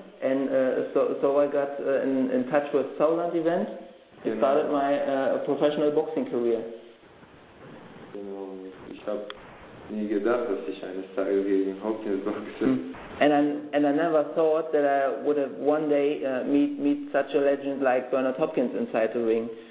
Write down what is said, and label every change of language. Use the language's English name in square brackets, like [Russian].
[English] I won and won, so I got in touch with Solan Event. [German] Genau. [English] I started my professional boxing career. [German] Genau. Ich habe nie gedacht, dass ich eines Tages gegen Hopkins boxe. [English] And I never thought that I would have one day meet such a legend like Bernard Hopkins inside the ring.